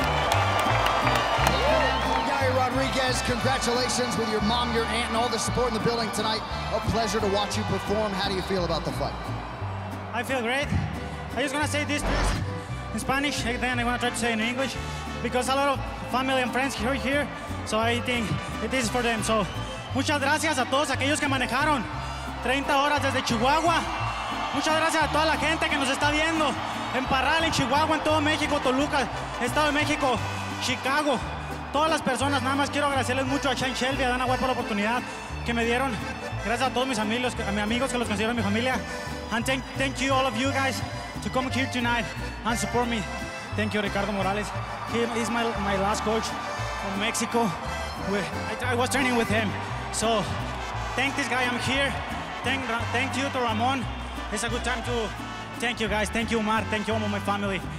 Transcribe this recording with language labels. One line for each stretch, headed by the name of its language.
English: Yair Rodriguez, congratulations with your mom, your aunt, and all the support in the building tonight. A pleasure to watch you perform. How do you feel about the fight? I feel great. I just want to say this first. In Spanish, and then I want to try to say in English, because a lot of family and friends are here, so I think it is for them.
Spanish: So, muchas gracias a todos aquellos que manejaron 30 horas desde Chihuahua. Muchas gracias a toda la gente que nos está viendo en Parral, en Chihuahua, en todo México, Toluca, Estado de México, Chicago. Todas las personas, nada más quiero agradecerles mucho a Chan Shelby, a Dana White por la oportunidad que me dieron. Gracias a todos mis amigos, a mis amigos que los considero mi familia.
English: And thank you all of you guys to come here tonight and support me. Thank you, Ricardo Morales. He is my last coach from Mexico. I was training with him. So thank this guy, I'm here. Thank you to Ramon. It's a good time to thank you guys. Thank you, Omar. Thank you all my family.